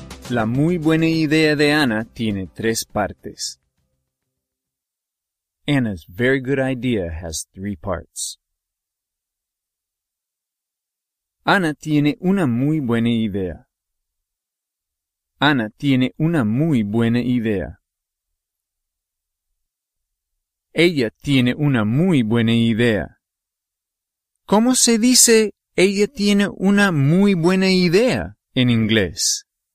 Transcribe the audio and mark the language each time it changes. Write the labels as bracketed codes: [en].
[es] La muy buena idea de Anna tiene tres partes. [en] Anna's very good idea has three parts. [es] Anna tiene una muy buena idea. Anna tiene una muy buena idea. Ella tiene una muy buena idea. ¿Cómo se dice ella tiene una muy buena idea en inglés?